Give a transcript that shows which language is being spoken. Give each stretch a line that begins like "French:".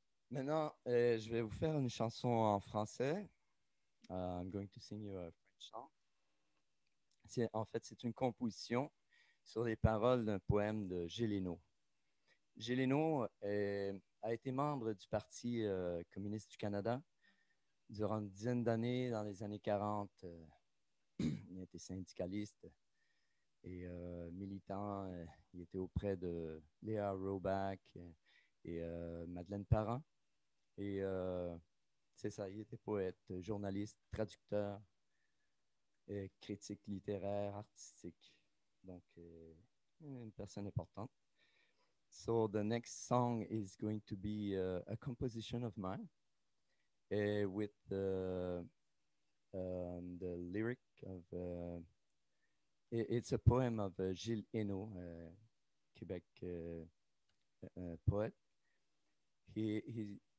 French: Maintenant, je vais vous faire une chanson en français.
English: I'm going to sing you a French song.
French: C'est une composition sur les paroles d'un poème de Gélénaud. Gélénaud a été membre du Parti communiste du Canada durant une dizaine d'années dans les années 40. Il était syndicaliste et militant. Il était auprès de Léa Roback et Madeleine Parent. Et c'est ça, il était poète, journaliste, traducteur, et critique littéraire, artistique. Donc, une personne importante.
English: So, the next song is going to be a composition of mine with the lyric of, it's a poem of Gilles Hainaut, Quebec poet. He